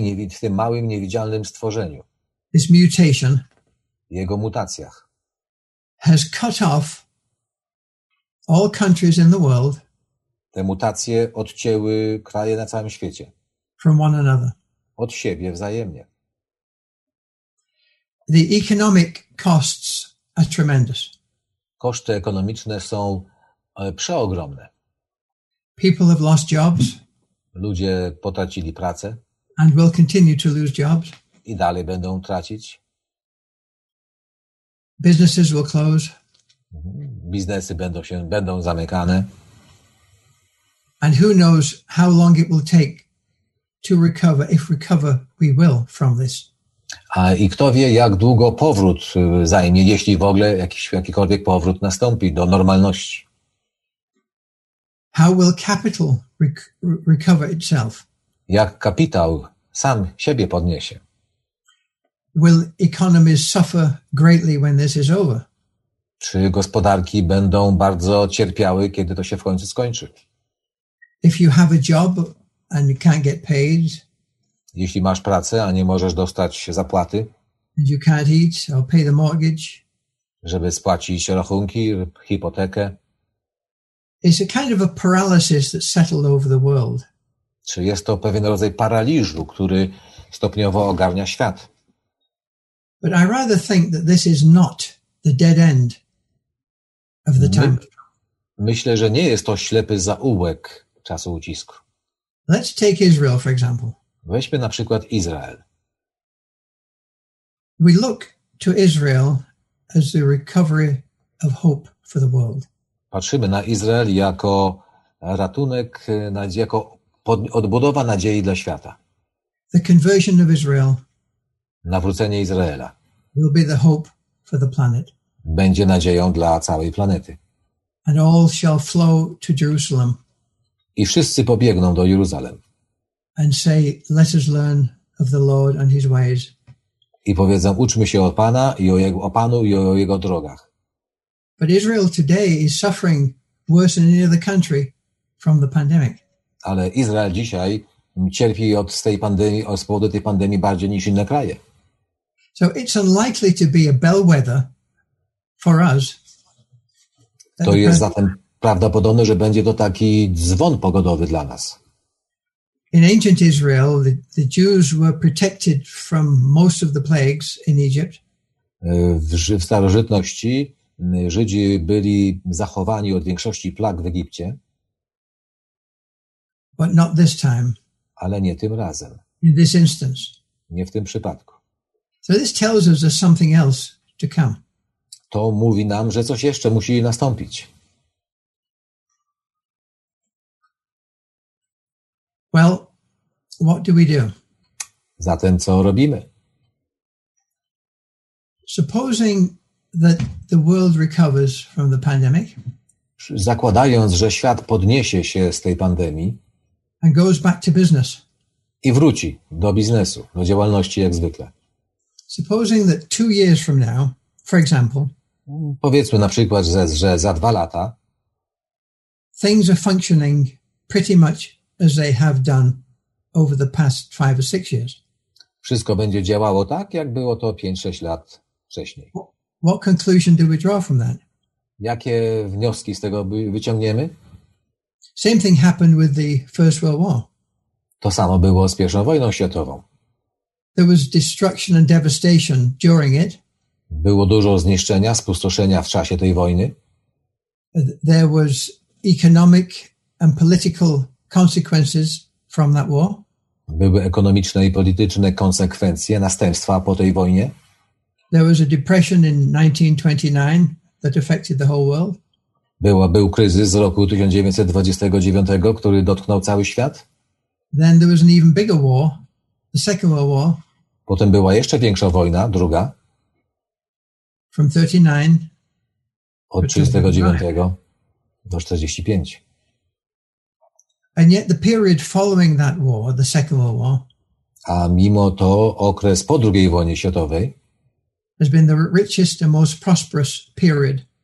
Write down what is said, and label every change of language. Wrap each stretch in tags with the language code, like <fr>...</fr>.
<pl>w tym małym, niewidzialnym stworzeniu,</pl> <en>this mutation,</en> <pl>jego mutacjach,</pl> <en>has cut off all countries in the world,</en> <pl>te mutacje odcięły kraje na całym świecie,</pl> <en>from one another,</en> <pl>od siebie wzajemnie.</pl> <en>The economic costs are tremendous.</en> <pl>Koszty ekonomiczne są przeogromne.</pl> <en>People have lost jobs.</en> <pl>Ludzie potracili pracę.</pl> <en>And will continue to lose jobs.</en> <pl>I dalej będą tracić.</pl> <en>Businesses will close.</en> <pl>Biznesy będą zamykane.</pl> <en>And who knows how long it will take to recover, if recover we will from this.</en> <pl>I kto wie, jak długo powrót zajmie, jeśli w ogóle jakikolwiek powrót nastąpi do normalności.</pl> <en>How will capital recover itself?</en> <pl>Jak kapitał sam siebie podniesie?</pl> <en>Will economies suffer greatly when this is over?</en> <pl>Czy gospodarki będą bardzo cierpiały, kiedy to się w końcu skończy?</pl> <en>If you have a job and you can't get paid,</en> <pl>jeśli masz pracę, a nie możesz dostać zapłaty,</pl> <en>and you can't eat or pay the mortgage,</en> <pl>żeby spłacić rachunki, hipotekę,</pl> <en>it's a kind of a paralysis that settled over the world.</en> <pl>Czy jest to pewien rodzaj paraliżu, który stopniowo ogarnia świat?</pl> <en>But I rather think that this is not the dead end of the time.</en> <pl>Myślę, że nie jest to ślepy zaułek czasu ucisku.</pl> <en>Let's take Israel for example.</en> <pl>Weźmy na przykład Izrael.</pl> <en>We look to Israel as the recovery of hope for the world.</en> <pl>Patrzymy na Izrael jako ratunek, jako odbudowa nadziei dla świata.</pl> <en>The conversion of Israel.</en> <pl>Nawrócenie Izraela.</pl> <en>Will be the hope for the planet.</en> <pl>Będzie nadzieją dla całej planety.</pl> <en>And all shall flow to Jerusalem.</en> <pl>I wszyscy pobiegną do Jeruzalem.</pl> <en>And say, let us learn of the Lord and his ways.</en> <pl>I powiedzą, uczmy się od Pana i o Panu i o jego drogach.</pl> <en>But Israel today is suffering worse than any other country from the pandemic.</en> <pl>Ale Izrael dzisiaj cierpi z powodu tej pandemii bardziej niż inne kraje.</pl> <en>So it's unlikely to be a bellwether for us.</en> <pl>To jest zatem prawdopodobne, że będzie to taki dzwon pogodowy dla nas.</pl> <en>In ancient Israel, the Jews were protected from most of the plagues in Egypt.</en> <pl>W starożytności Żydzi byli zachowani od większości plag w Egipcie.</pl> <en>But not this time.</en> <pl>Ale nie tym razem.</pl> <en>In this instance.</en> <pl>Nie w tym przypadku.</pl> <en>So this tells us there's something else to come.</en> <pl>To mówi nam, że coś jeszcze musi nastąpić.</pl> <en>Well, what do we do?</en> <pl>Zatem co robimy?</pl> <en>Supposing that the world recovers from the pandemic,</en> <pl>zakładając, że świat podniesie się z tej pandemii,</pl> <en>and goes back to business,</en> <pl>i wróci do biznesu, do działalności jak zwykle.</pl> <en>Supposing that 2 years from now, for example,</en> <pl>powiedzmy na przykład, że za 2 lata,</pl> <en>things are functioning pretty much as they have done over the past 5 or 6 years.</en> <pl>Wszystko będzie działało tak, jak było to 5-6 lat wcześniej.</pl> <en>What conclusion do we draw from that?</en> <pl>Jakie wnioski z tego wyciągniemy?</pl> <en>Same thing happened with the First World War.</en> <pl>To samo było z pierwszą wojną światową.</pl> <en>There was destruction and devastation during it.</en> <pl>Było dużo zniszczenia, spustoszenia w czasie tej wojny.</pl> <en>There was economic and political consequences from that war.</en> <pl>Były ekonomiczne i polityczne konsekwencje, następstwa po tej wojnie.</pl> <en>There was a depression in 1929 that affected the whole world.</en> <pl>Był kryzys z roku 1929, który dotknął cały świat.</pl> <en>Then there was an even bigger war, the Second World War.</en> <pl>Potem była jeszcze większa wojna, druga.</pl> <en>From 39</en> <pl>od 39 do 45.</pl> <en>And yet the period following that war, the Second World War,</en> <pl>a mimo to okres po II wojnie światowej,</pl> <en>has been the richest and most prosperous period.</en>